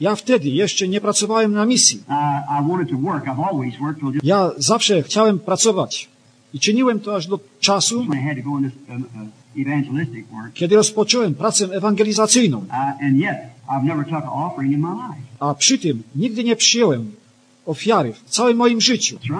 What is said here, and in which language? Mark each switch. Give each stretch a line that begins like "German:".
Polish: Ja wtedy jeszcze nie pracowałem na misji.
English: I wanted to work. I've always worked. Till just...
Polish: Ja zawsze chciałem pracować i czyniłem to aż do czasu,
English: when I had to go in this, evangelistic work.
Polish: Kiedy rozpocząłem pracę ewangelizacyjną.
English: And yet, I've never took an offering in my life.
Polish: A przy tym nigdy nie przyjąłem ofiary w całym moim życiu.